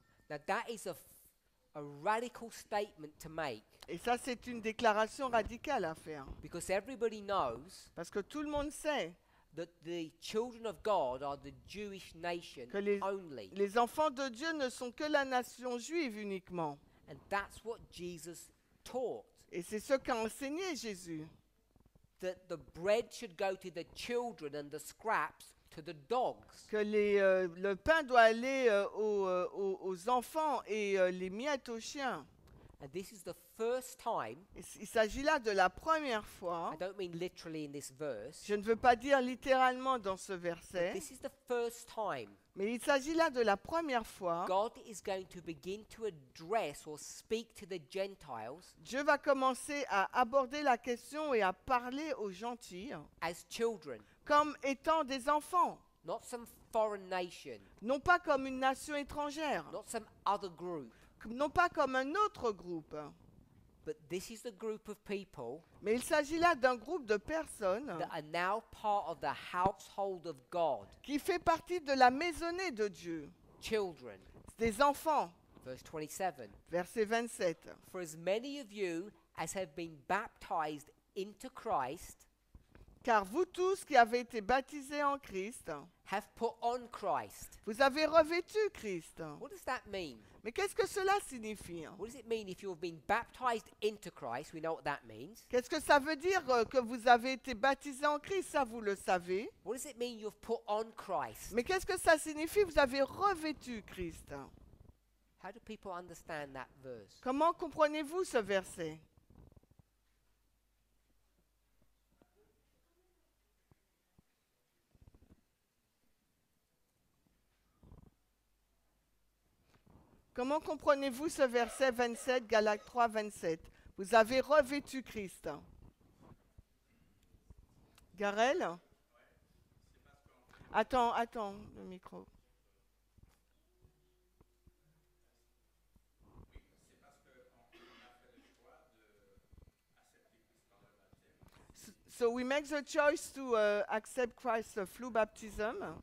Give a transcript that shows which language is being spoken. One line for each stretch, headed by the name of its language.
English: Now that is a radical statement to make.
French: Et ça, c'est une déclaration radicale à faire.
English: Because everybody knows.
French: Parce que tout le monde sait.
English: That the children of God are the Jewish nation
French: que les,
English: only.
French: Les enfants de Dieu ne sont que la nation juive uniquement.
English: And that's what Jesus taught.
French: Et c'est ce qu'a enseigné Jésus.
English: That the bread should go to the children and the scraps to the dogs.
French: Que les, le pain doit aller aux enfants et les miettes aux chiens.
English: And this is the first time.
French: Il s'agit là de la première fois.
English: I don't mean literally in this verse.
French: Je ne veux pas dire littéralement dans ce verset.
English: This is the first time.
French: Mais il s'agit là de la première fois.
English: God is going to begin to address or speak to the Gentiles.
French: Dieu va commencer à aborder la question et à parler aux gentils.
English: As children.
French: Comme étant des enfants.
English: Not some foreign nation.
French: Non pas comme une nation étrangère.
English: Not some other group.
French: Non pas comme un autre groupe.
English: But this is the group of people.
French: Mais il s'agit là d'un groupe de personnes.
English: That are now part of the household of God.
French: Qui fait partie de la maisonnée de Dieu.
English: Children.
French: Des enfants.
English: Verse 27.
French: Verset 27.
English: For as many of you as have been baptized into Christ.
French: Car vous tous qui avez été baptisés en Christ.
English: Have put on Christ.
French: Vous avez revêtu Christ.
English: What does that mean?
French: Mais qu'est-ce que cela signifie?
English: What does it mean if you have been baptized into Christ? We know what that means.
French: Qu'est-ce que ça veut dire que vous avez été baptisé en Christ? Ça vous le savez.
English: What does it mean you've put on Christ?
French: Mais qu'est-ce que ça signifie? Vous avez revêtu Christ.
English: How do people understand that verse?
French: Comment comprenez-vous ce verset? Comment comprenez-vous ce verset 27, Galates 3, 27? Vous avez revêtu Christ. Garel? Attends, le micro. Oui, c'est parce qu'on a fait le choix de
English: So we make the choice to accept Christ's flow baptism.